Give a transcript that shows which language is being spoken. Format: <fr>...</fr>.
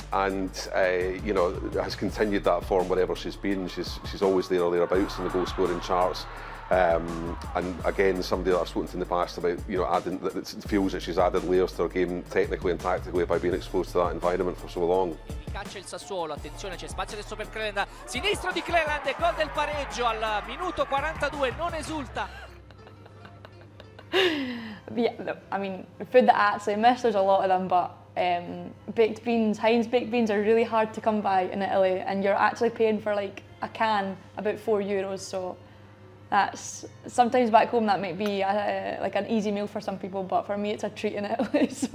<en>You know, has continued that form wherever she's been. She's always there or thereabouts in the goal scoring charts. And again, somebody that I've spoken to in the past about, you know, adding, that it feels that she's added layers to her game technically and tactically by being exposed to that environment for so long.</en> <it>Caccia il Sassuolo, attenzione, c'è spazio adesso per Clelland. Sinistro di Clelland, gol del pareggio al minuto 42, non esulta.</it> <en>Yeah, I mean, food that I actually miss, there's a lot of them, but baked beans, Heinz baked beans are really hard to come by in Italy, and you're actually paying for like a can about €4, so. That's sometimes back home that might be like an easy meal for some people, but for me it's a treat in Italy.</en>